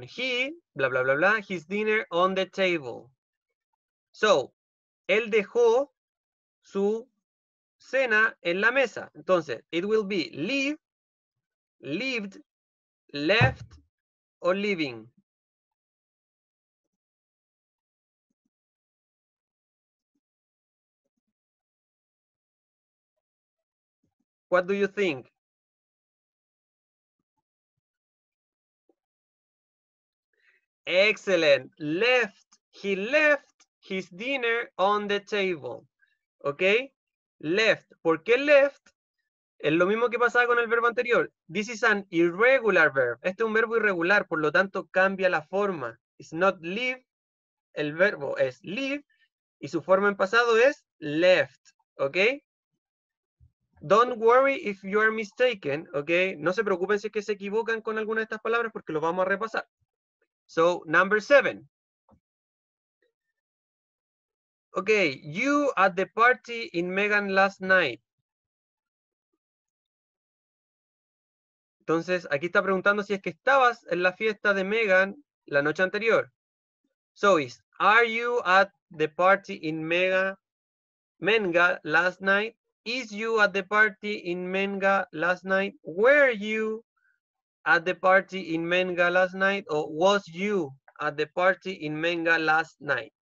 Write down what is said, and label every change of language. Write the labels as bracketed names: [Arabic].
[English] He, blah, blah, blah, blah, his dinner on the table. [Spanish] So, él dejó su cena en la mesa. [English] Entonces, it will be leave, lived, left, or leaving. What do you think? Excellent. Left. He left his dinner on the table. ¿Ok? Left. [Spanish] ¿Por qué left? Es lo mismo que pasaba con el verbo anterior. [English] This is an irregular verb. [Spanish] Este es un verbo irregular, por lo tanto, cambia la forma. [English] It's not leave. [Spanish] El verbo es leave. Y su forma en pasado es left. Okay. [English] Don't worry if you are mistaken, okay? [Spanish] No se preocupen si es que se equivocan con alguna de estas palabras porque lo vamos a repasar. [English] So, number 7. Okay, you at the party in Megan last night. [Spanish] Entonces, aquí está preguntando si es que estabas en la fiesta de Megan la noche anterior. [English] So, is are you at the party in Menga last night? Is you at the party in Menga last night? Were you at the party in Menga last night? Or was you at the party in Menga last night?